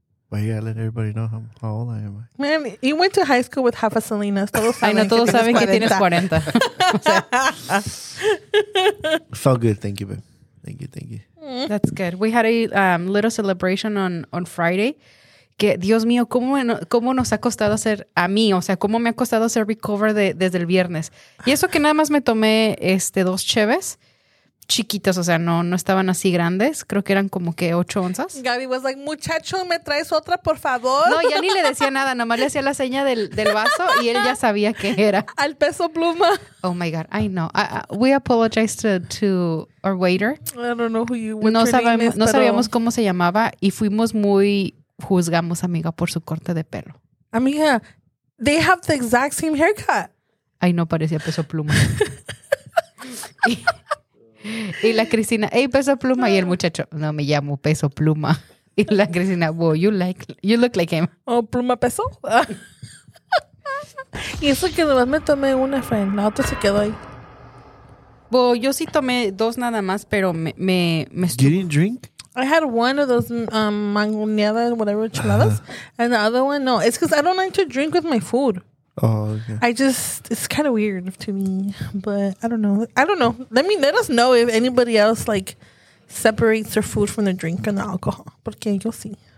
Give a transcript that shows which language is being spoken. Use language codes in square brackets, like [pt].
[en] Why you gotta let everybody know how old I am? Man, you went to high school with half a Selena. [es] Todos saben, [en] I know, [es] todos que, saben tienes que tienes 40. [en] Felt good. Thank you, babe. Thank you. That's good. We had a little celebration on Friday. [es] Que, Dios mío, ¿cómo nos ha costado hacer a mí? O sea, ¿cómo me ha costado hacer recover desde el viernes? Y eso que nada más me tomé dos cheves. Chiquitas, o sea, no estaban así grandes. Creo que eran como que 8 onzas. [en] Gaby was like, [es] muchacho, ¿me traes otra, por favor? No, ya ni le decía nada. Nomás le hacía la seña del vaso y él ya sabía qué era. Al peso pluma. [en] Oh, my God. I know. We apologize to our waiter. I don't know who you were. [es] No sabíamos cómo se llamaba y fuimos muy... Juzgamos, amiga, por su corte de pelo. [en] Amiga, they have the exact same haircut. [es] Ay, no, parecía peso pluma. Y la Cristina, [en] hey, [es] peso pluma. Y el muchacho, no, me llamo peso pluma. Y la [en] Cristina, wow, you look like him. [es] Oh, pluma peso. Y eso que nomás me tomé una, friend. La otra se quedó ahí. Wow, yo sí tomé dos nada más, pero me estuvo. [en] You didn't drink? I had one of those mangoneadas, whatever, chiladas. And the other one, no. It's because I don't like to drink with my food. Oh, okay. I just, it's kind of weird to me, but I don't know. Let us know if anybody else like separates their food from the drink and the alcohol, [es] porque yo sí.